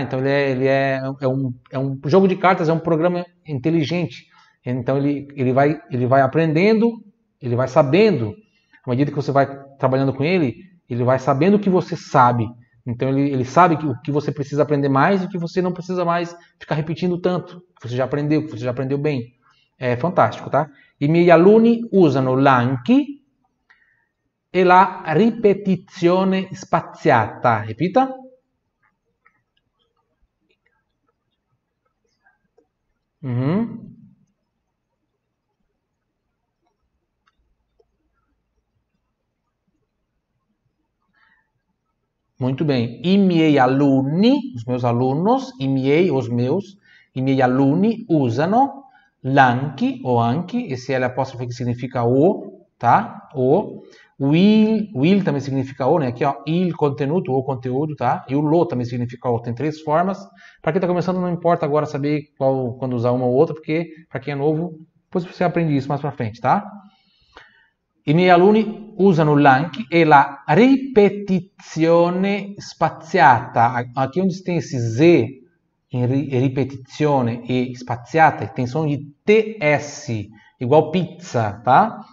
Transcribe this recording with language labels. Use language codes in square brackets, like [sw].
[pt] Então ele é um jogo de cartas, é um programa inteligente. Então ele vai aprendendo, ele vai sabendo, à medida que você vai trabalhando com ele vai sabendo o que você sabe. Então ele sabe o que você precisa aprender mais e o que você não precisa mais ficar repetindo tanto. Você já aprendeu bem. É fantástico, tá? [it] I miei alunni usano l'anki e la ripetizione spaziata. [pt] Repita. Muito bem. I miei alunni, os meus alunos, [it] i miei alunni usano l'anki [pt] o anki, esse é l'apostrofo che significa o, tá? O. Will também significa o, né? Aqui, ó, il contenuto, o conteúdo, tá? E o lo também significa o. Tem três formas. Para quem está começando, não importa agora saber quando usar uma ou outra, porque para quem é novo, depois você aprende isso mais para frente, tá? [it] I miei alunni usano l'anki e la ripetizione spaziata. [pt] Aqui onde tem esse Z em ripetizione e spaziata, tem som de TS, igual pizza, tá?